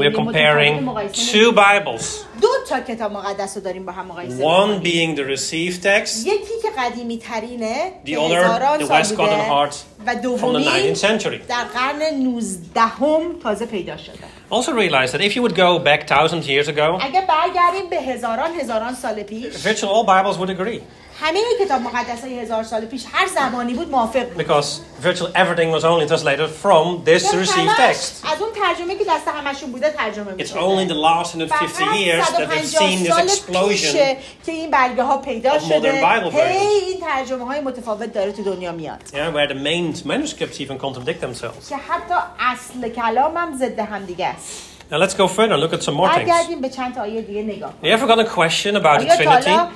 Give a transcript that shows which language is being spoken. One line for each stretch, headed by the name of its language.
English: We're comparing two Bibles.
Persian: دو تا کتاب مقدس رو داریم با هم مقایسه می‌کنیم.
English: One being the received text.
Persian: یکی که قدیمی ترینه.
English: The other, the Westcott Hart.
Persian: و دومی در قرن 19 تازه پیدا شده.
English: Also realize that if you would go back thousands of years ago,
Persian: اگه برگردیم به هزاران سال پیش,
English: virtually all Bibles would agree.
Persian: همه کتاب مقدسای هزار سال پیش هر زمانی بود موافق بود.
English: Because virtually everything was only translated from this received text.
Persian: از اون ترجمه که دست همشون بوده ترجمه می‌شد.
English: It's only the last 150 years that we've seen this explosion.
Persian: که این برگه‌ها پیدا شده. این ترجمه‌های متفاوت داره تو دنیا میاد.
English: Yeah, where the main manuscripts even contradict themselves.
Persian: که حتی اصل کلام هم ضد هم دیگه است.
English: Now let's go further and look at some more things. Have you ever got a question about the Trinity?